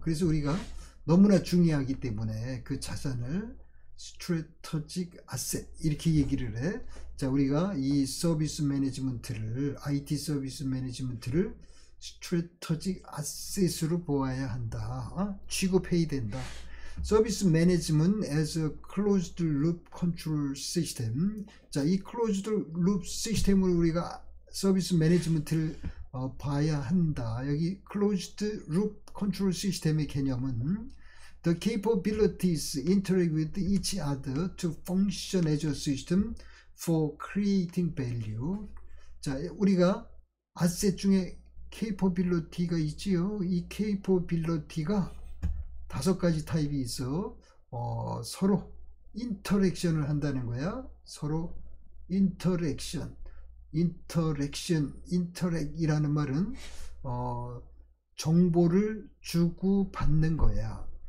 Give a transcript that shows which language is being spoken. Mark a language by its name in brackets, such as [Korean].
[Korean] 그래서 우리가 너무나 중요하기 때문에 그 자산을 strategic asset 이렇게 얘기를 해. 자, 우리가 이 서비스 매니지먼트를 IT 서비스 매니지먼트를 strategic asset으로 보아야 한다. 취급해야 된다. [English] 서비스 매니지먼트 as a closed loop control system. [Korean] 자, 이 closed loop 시스템을 우리가 서비스 매니지먼트를 봐야 한다. [English] 여기 closed loop control [Korean] 시스템의 개념은 [English] the capabilities interact with each other to function as a system for creating value. [Korean] 자, 우리가 아셋 중에 capability가 있지요. 이 capability가 다섯 가지 타입이 있어. 서로 interaction을 한다는 거야. 서로 interaction. Interaction, interact이라는 말은 정보를 주고받는 거야.